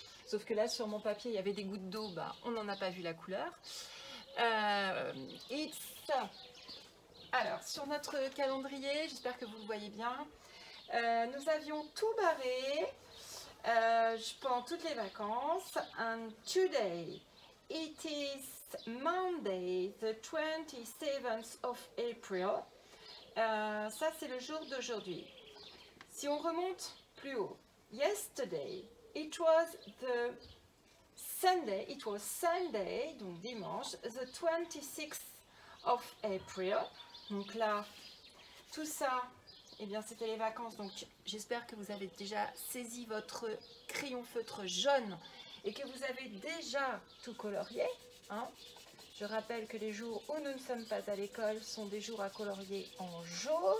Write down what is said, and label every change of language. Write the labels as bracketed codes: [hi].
[fr] Sauf que là, sur mon papier, il y avait des gouttes d'eau. Bah, on n'en a pas vu la couleur. Alors, sur notre calendrier, j'espère que vous le voyez bien, nous avions tout barré, pendant toutes les vacances. [en] And today, it is Monday, the 27th of April. [fr] Ça, c'est le jour d'aujourd'hui. Si on remonte plus haut, [en] yesterday, it was the Sunday, it was Sunday, [fr] donc dimanche, [en] the 26th of April. [fr] Donc là, tout ça, eh bien c'était les vacances, donc j'espère que vous avez déjà saisi votre crayon feutre jaune et que vous avez déjà tout colorié. Je rappelle que les jours où nous ne sommes pas à l'école sont des jours à colorier en jaune.